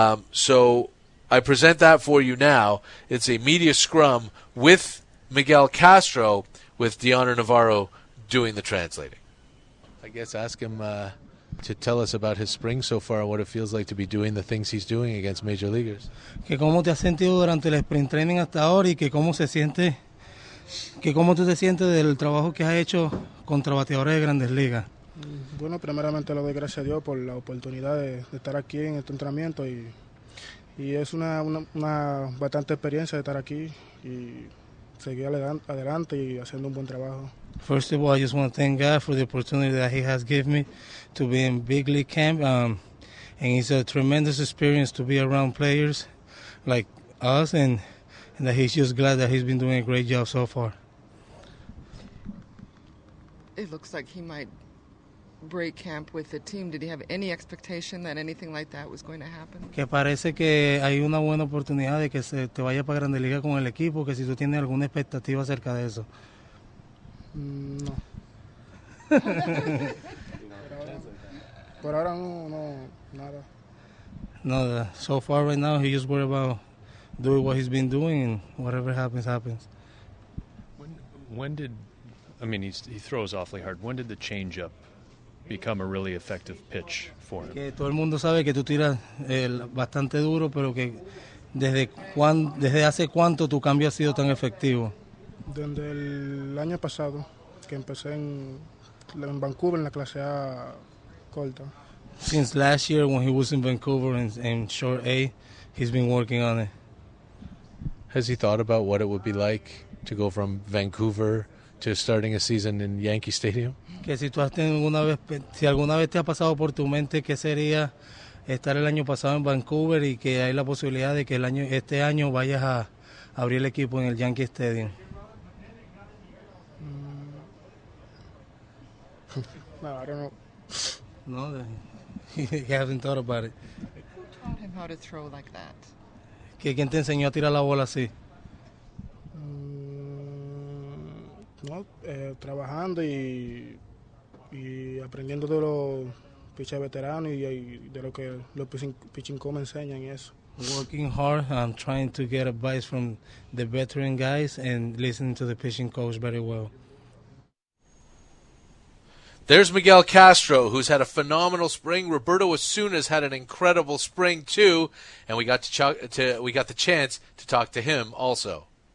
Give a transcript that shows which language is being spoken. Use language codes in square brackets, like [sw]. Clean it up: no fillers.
[en] So I present that for you now. It's a media scrum with Miguel Castro, with Deonor Navarro doing the translating. I guess ask him to tell us about his spring so far, what it feels like to be doing the things he's doing against major leaguers. [es] Que cómo te has sentido durante el sprint training hasta ahora y que cómo se siente, que cómo tú te sientes del trabajo que has hecho contra bateadores de grandes ligas. Bueno, primeramente le doy gracias a Dios por la oportunidad de estar aquí en este entrenamiento y es una bastante experiencia de estar aquí y seguir adelante y haciendo un buen trabajo. [en] First of all, I just want to thank God for the opportunity that he has given me to be in big league camp. And it's a tremendous experience to be around players like us and that he's just glad that he's been doing a great job so far. It looks like he might break camp with the team. Did he have any expectation that anything like that was going to happen? [es] Que parece que hay una buena oportunidad de que se te vaya para Grandes Ligas con el equipo, que si tú tienes alguna expectativa acerca de eso. No. Por ahora no, nada. Nada. [en] So far right now, he just worried about doing what he's been doing and whatever happens, happens. He throws awfully hard. When did the change up become a really effective pitch for him? [es] Que todo el mundo sabe que tú tiras bastante duro, pero que desde hace cuánto tu cambio ha sido tan efectivo. Desde el año pasado, que empecé en Vancouver, en la clase A corta. [en] Since last year, when he was in Vancouver in short A, he's been working on it. Has he thought about what it would be like to go from Vancouver to starting a season in Yankee Stadium? [es] Que si tú has tenido alguna vez te ha pasado por tu mente qué sería estar el año pasado en Vancouver y que hay la posibilidad de que este año vayas a abrir el equipo en el Yankee Stadium. [en] No, I don't know. No, he hasn't thought about it. Who taught him how to throw like that? [es] Que quien te enseñó a tirar la bola así. Trabajando y aprendiendo de los pitchers veteranos y de lo que los pitching coaches enseñan y eso. [en] Working hard, I'm trying to get advice from the veteran guys and listening to the pitching coach very well. There's Miguel Castro, who's had a phenomenal spring. Roberto Osuna's had an incredible spring too, and we got the chance to talk to him also.